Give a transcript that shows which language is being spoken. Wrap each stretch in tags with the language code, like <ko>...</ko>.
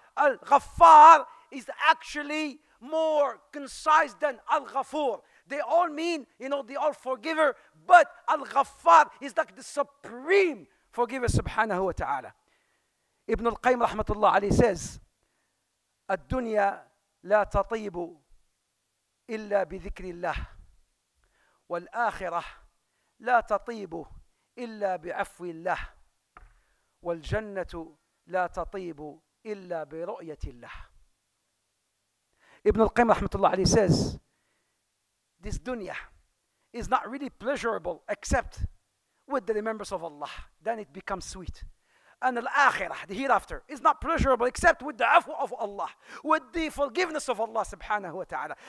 <en>Al-Ghaffar is actually more concise than Al-Ghafur. They all mean, you know, the all-forgiver, but Al-Ghaffar is like the supreme forgiver, subhanahu wa ta'ala. Ibn al-Qayyim, rahmatullah alayhi, says,</en> <ar>الدنيا لا تطيب إلا بذكر الله والآخرة لا تطيب إلا بعفو الله والجنة لا تطيب إلا برؤية الله.</ar> <en>Ibn al-Qayyim rahmatullah alayhi says, this dunya is not really pleasurable except with the remembrance of Allah. Then it becomes sweet. And al-akhirah, the hereafter, is not pleasurable except with the afwa of Allah, with the forgiveness of Allah subhanahu wa ta'ala.</en>